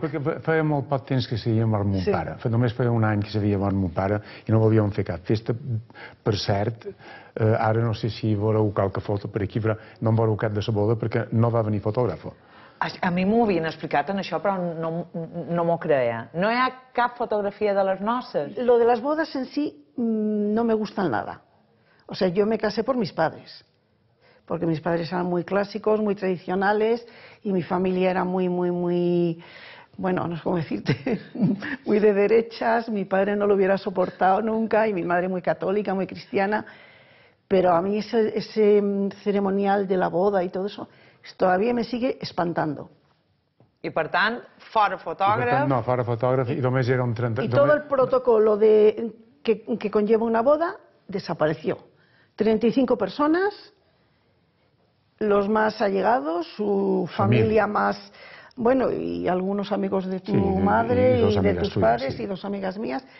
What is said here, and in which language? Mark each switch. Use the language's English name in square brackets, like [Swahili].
[Catalan] Perquè feia molt poc temps que s'havia mort mon pare. Només feia un any que s'havia mort mon pare i no volíem fer cap festa. Per cert, ara no sé si veureu qualque foto per aquí, però no em veureu cap de sa boda perquè no va venir fotògrafo. A mi m'ho havien explicat en això, però no m'ho creia. No hi ha cap fotografia de les noces? [Spanish] Lo de las bodas en sí no me gustan nada. O sea, yo me casé por mis padres. Porque mis padres eran muy clásicos, muy tradicionales, y mi familia era muy, muy, muy, bueno, no sé cómo decirte, muy de derechas, mi padre no lo hubiera soportado nunca, y mi madre muy católica, muy cristiana, pero a mí ese ceremonial de la boda y todo eso, todavía me sigue espantando. [Catalan] I, per tant, fora fotògraf... No, fora fotògraf, i només era un 30... [Spanish] I tot el protocolo que conlleva una boda desapareció. [Catalan] 35 persones... [Spanish] Los más allegados, su familia más, bueno, y algunos amigos de tu madre y de tus padres y dos amigas mías.